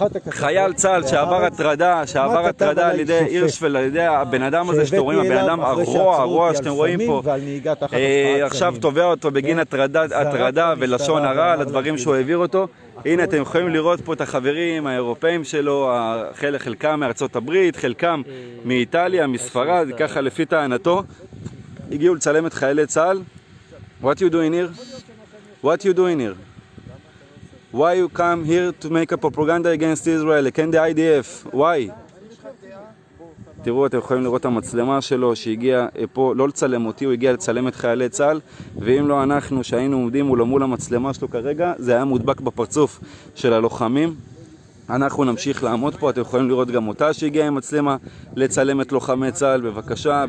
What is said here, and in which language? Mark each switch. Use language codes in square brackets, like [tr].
[he] חייל צה"ל שעבר הטרדה על ידי הירשפלד, על ידי הבן אדם הזה שאתם רואים, הבן אדם הרוע שאתם רואים פה, עכשיו תובע אותו בגין הטרדה ולשון הרע על הדברים שהוא העביר אותו. הנה, אתם יכולים לראות פה את החברים האירופאים שלו, חלקם מארצות הברית, חלקם מאיטליה, מספרד, ככה לפי טענתו, הגיעו לצלם את חיילי צה"ל. [en] What you doing here? What you doing here? Why you come here to make a propaganda against Israel? Can the IDF? Why? [he] תראו, אתם יכולים לראות את המצלמה שלו שהגיע פה, לא לצלם אותי, הוא הגיע לצלם את חיילי צה"ל, ואם לא אנחנו שהיינו עומדים מול המצלמה שלו כרגע, זה היה מודבק בפרצוף של הלוחמים. אנחנו נמשיך לעמוד פה, אתם יכולים לראות גם אותה שהגיעה עם מצלמה לצלם את לוחמי צה"ל, בבקשה.